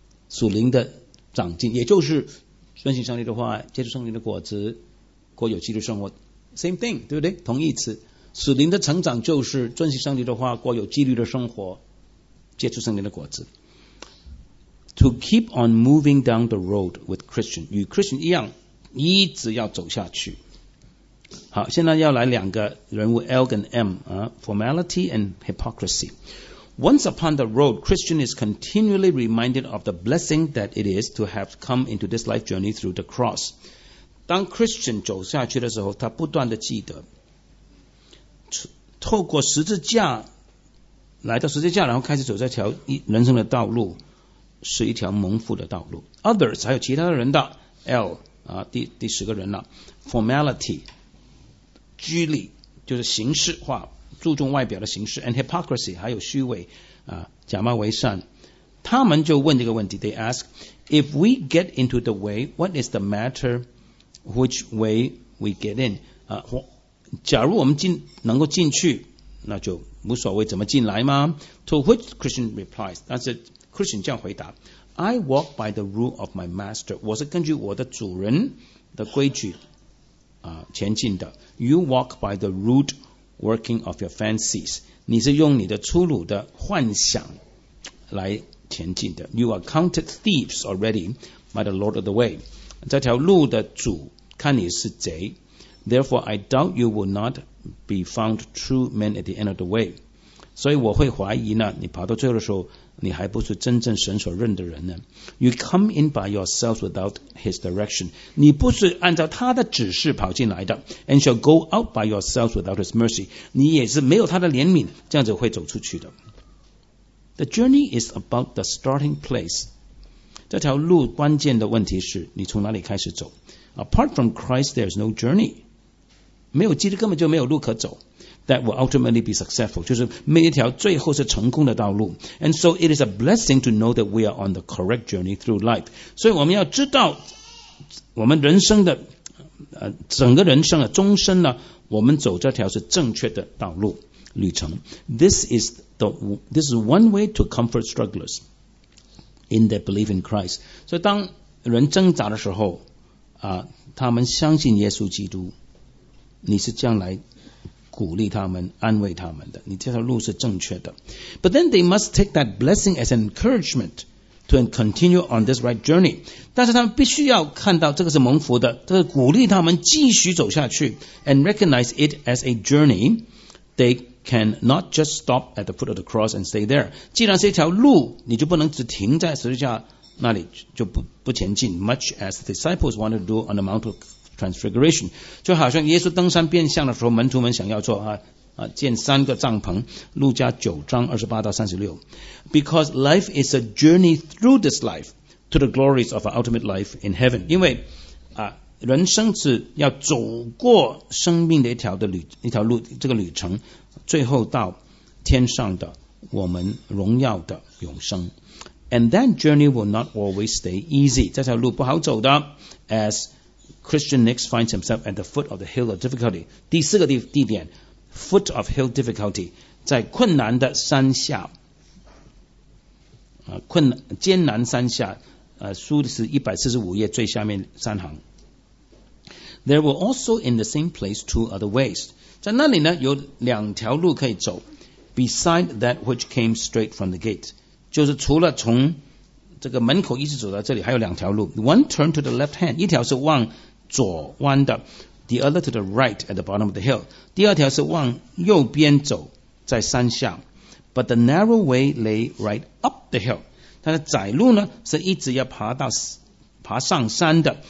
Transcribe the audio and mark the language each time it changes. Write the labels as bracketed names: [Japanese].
[Chinese] 属灵的长进也就是遵循上帝的话接触圣灵的果子过有纪律生活 same thing 对不对同义词属灵的成长就是遵循上帝的话过有纪律的生活接触圣灵的果子 to keep on moving down the road with Christian 与 Christian 一样一直要走下去好，现在要来两个人物 L 跟 M、Formality and Hypocrisy。 [English] Once upon the road, Christian is continually reminded of the blessing that it is to have come into this life journey through the cross。 [Chinese] 当 Christian 走下去的时候，他不断地记得透过十字架来到十字架，然后开始走这条人生的道路，是一条蒙福的道路。 Others 还有其他的人的 L、第十个人了。 Formality居里就是形式化，注重外表的形式 ，and hypocrisy 还有虚伪，假冒为善。 [English] 他们就问这个问题，they ask if we get into the way, what is the matter which way we get in？ [Chinese] 假如我们能够进去，那就无所谓怎么进来吗 ？ To which Christian replies，但是 Christian 这样回答 ： I walk by the rule of my master，我是根据我的主人的规矩。前进的 You walk by the root working of your fancies，你是用你的粗鲁的幻想来前进的。 You are counted thieves already by the Lord of the way，这条路的主看你是贼。 Therefore I doubt you will not be found true men at the end of the way，所以我会怀疑呢，你跑到最后的时候你还不是真正神所认的人呢。 You come in by yourself without his direction，你不是按照他的指示跑进来的。 And shall go out by yourself without his mercy，你也是没有他的怜悯这样子会走出去的。 The journey is about the starting place，这条路关键的问题是你从哪里开始走。 Apart from Christ there is no journey，没有基督根本就没有路可走。 That will ultimately be successful，就是每一条最后是成功的道路。 And so it is a blessing to know that we are on the correct journey through life，所以我们要知道我们人生的整个人生的终身呢，我们走这条是正确的道路旅程。 This is one way to comfort strugglers in their belief in Christ，所以当人挣扎的时候他们相信耶稣基督，你是将来鼓励他们安慰他们的，你这条路是正确的。 But then they must take that blessing as an encouragement to continue on this right journey，但是他们必须要看到这个是蒙福的，这是鼓励他们继续走下去。 And recognize it as a journey， they cannot just stop at the foot of the cross and stay there，既然是一条路，你就不能只停在十字架那里就 不前进。 Much as the disciples wanted to do on the Mount of Transfiguration，就好像耶稣登山变相的时候，门徒们想要做建三个帐篷，路加九章二十八到三十六。 Because life is a journey through this life to the glories of our ultimate life in heaven，因为人生是要走过生命的一条路，这个旅程，最后到天上的我们荣耀的永生。 [English] And that journey will not always stay easy，这条路不好走的，as Christian next finds himself at the foot of the hill of difficulty。 [Chinese] 第四个地点 foot of hill difficulty， 在困难的山下艰难山下书是145页最下面三行。 There were also in the same place two other ways，在那里呢有两条路可以走。 Beside that which came straight from the gate，就是除了从这个门口一直走到这里还有两条路。 [English] One turned to the left hand，一条是往左弯的， the other to the right at the bottom of the hill，第二条是往右边走在山下。 [Chinese] But the narrow way lay right up the hill，它的窄路呢是一直要爬上山的。